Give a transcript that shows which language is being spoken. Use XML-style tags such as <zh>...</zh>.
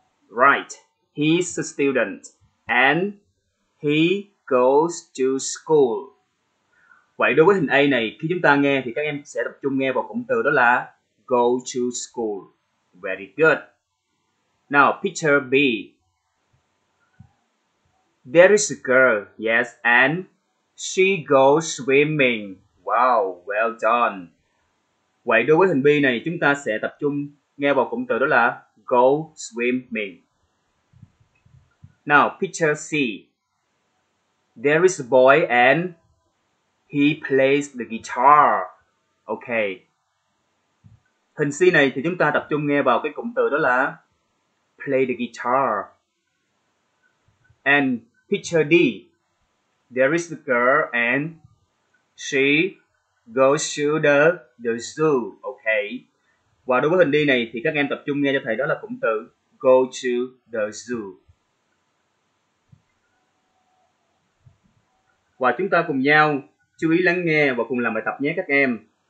<en>Right, he's a student, and he goes to school.</en> <vi>Vậy đối với hình A này, khi chúng ta nghe thì các em sẽ tập trung nghe vào cụm từ đó là</vi> <en>go to school. Very good. Now, picture B. There is a girl, yes, and she goes swimming. Wow, well done.</en> <vi>Vậy đối với hình B này, chúng ta sẽ tập trung nghe vào cụm từ đó là</vi> <en>go swimming. Now, picture C. There is a boy and he plays the guitar. Okay.</en> <vi>Hình C này thì chúng ta tập trung nghe vào cái cụm từ đó là</vi> <en>play the guitar. And picture D. There is a girl and she goes to the zoo. Okay.</en> <vi>Và đối với hình D này thì các em tập trung nghe cho thầy đó là cụm từ</vi> <en>go to the zoo.</en> <vi>Và chúng ta cùng nhau chú ý lắng nghe và cùng làm bài tập nhé các em.</vi>